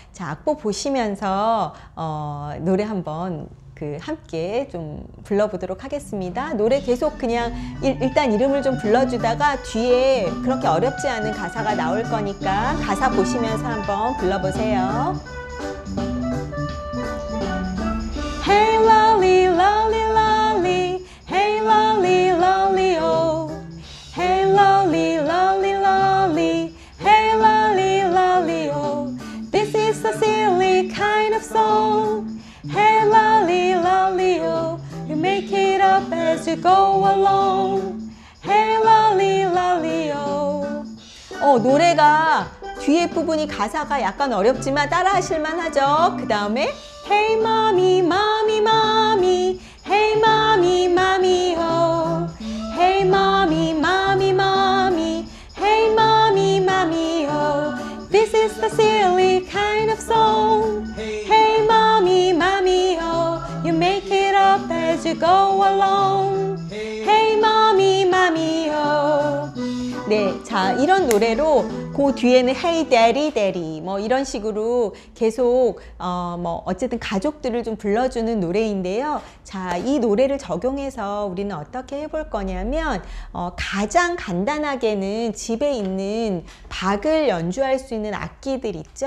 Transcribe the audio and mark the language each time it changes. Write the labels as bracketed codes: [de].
[ko] 자, 악보 보시면서 노래 한번 그 함께 좀 불러보도록 하겠습니다. 노래 계속 그냥 일단 이름을 좀 불러주다가 뒤에 그렇게 어렵지 않은 가사가 나올 거니까 가사 보시면서 한번 불러보세요. [en] Hey, Lolly, Lolly, Lolly, Hey, Lolly, Lolly, Oh, Hey, Lolly, Lolly, Lolly, Hey, Lolly, Lolly, Oh, This is a silly kind of song. Hey, Lolly, Lolly, Oh, You make it up as you go along. Hey, Lolly, Lolly, Oh. [ko] 노래가 뒤에 부분이 가사가 약간 어렵지만 따라하실만 하죠. 그 다음에 [en] Hey, mommy, mommy, mommy. Hey, mommy, mommy, oh. Hey, mommy, mommy, mommy. Hey, mommy, mommy, oh. This is the silly kind of song. Hey, mommy, mommy, oh. You make it up as you go along. Hey, mommy, mommy, oh. [ko] 네, 자, 이런 노래로 그 뒤에는 [en] Hey Daddy Daddy [ko] 뭐 이런 식으로 계속 뭐 어쨌든 가족들을 좀 불러주는 노래인데요. 자, 이 노래를 적용해서 우리는 어떻게 해볼 거냐면 가장 간단하게는 집에 있는 박을 연주할 수 있는 악기들 있죠.